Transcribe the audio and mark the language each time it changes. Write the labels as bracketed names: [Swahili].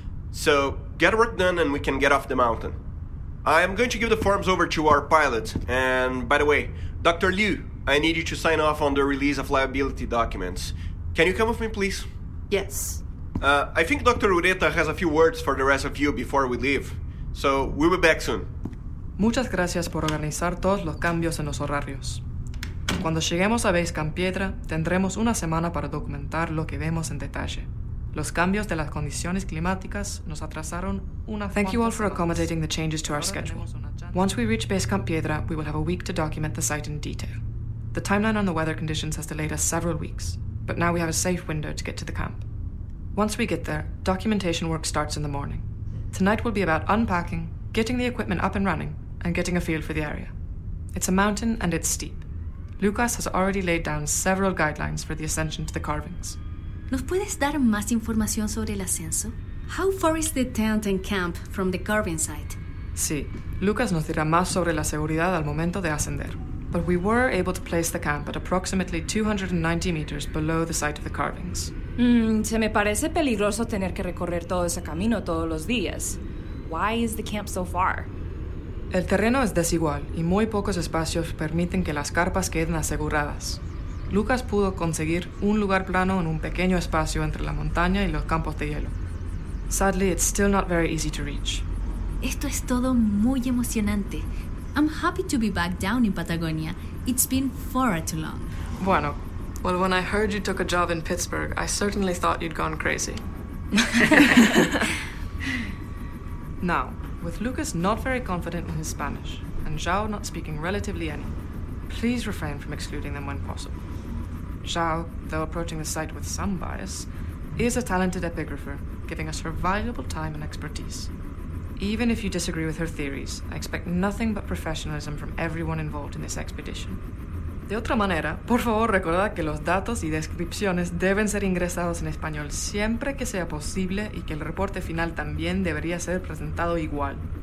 [English] So, get work done and we can get off the mountain. I'm going to give the forms over to our pilot, and by the way, Dr. Liu, I need you to sign off on the release of liability documents. Can you come with me, please? Yes. I think Dr. Ureta has a few words for the rest of you before we leave, so we'll be back soon. [Spanish] Muchas gracias por organizar todos los cambios en los horarios. Cuando lleguemos a Base Camp Piedra, tendremos una semana para documentar lo que vemos en detalle. Los cambios de las condiciones climáticas nos atrasaron una... [English] Thank you all for accommodating the changes to our schedule. Once we reach Base Camp Piedra, we will have a week to document the site in detail. The timeline on the weather conditions has delayed us several weeks, but now we have a safe window to get to the camp. Once we get there, documentation work starts in the morning. Tonight will be about unpacking, getting the equipment up and running, and getting a feel for the area. It's a mountain and it's steep. Lucas has already laid down several guidelines for the ascension to the carvings. [Spanish] ¿Nos puedes dar más información sobre el ascenso? [English] How far is the tent and camp from the carving site? [Spanish] Sí, Lucas nos dirá más sobre la seguridad al momento de ascender. [English] But we were able to place the camp at approximately 290 meters below the site of the carvings. [Spanish] Se me parece peligroso tener que recorrer todo ese camino todos los días. [English] Why is the camp so far? [Spanish] El terreno es desigual y muy pocos espacios permiten que las carpas queden aseguradas. Lucas pudo conseguir un lugar plano en un pequeño espacio entre la montaña y los campos de hielo. [English] Sadly, it's still not very easy to reach. [Spanish] Esto es todo muy emocionante. [English] I'm happy to be back down in Patagonia. It's been far too long. [Spanish] Bueno, [English] well, when I heard you took a job in Pittsburgh, I certainly thought you'd gone crazy. Now, with Lucas not very confident in his Spanish, and João not speaking relatively any, please refrain from excluding them when possible. João, though approaching the site with some bias, is a talented epigrapher, giving us her valuable time and expertise. Even if you disagree with her theories, I expect nothing but professionalism from everyone involved in this expedition. [Spanish] De otra manera, por favor recordad que los datos y descripciones deben ser ingresados en español siempre que sea posible y que el reporte final también debería ser presentado igual.